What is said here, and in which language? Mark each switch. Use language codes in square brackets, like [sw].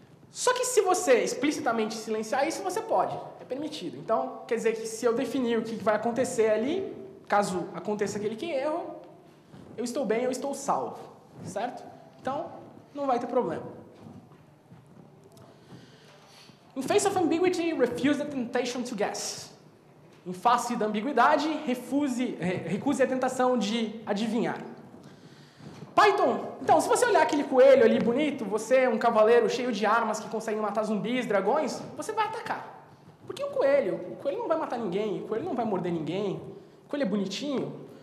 [pt] Só que se você explicitamente silenciar isso, você pode. É permitido. Então, quer dizer que se eu definir o que vai acontecer ali, caso aconteça aquele key error, eu estou bem, eu estou salvo. Certo? Então, não vai ter problema. [en] In face of ambiguity, refuse the temptation to guess. [pt] Em face da ambiguidade, recuse a tentação de adivinhar. Python, então, se você olhar aquele coelho ali bonito, você é um cavaleiro cheio de armas que consegue matar zumbis, dragões, você vai atacar. Porque o coelho? O coelho não vai matar ninguém, o coelho não vai morder ninguém, o coelho é bonitinho.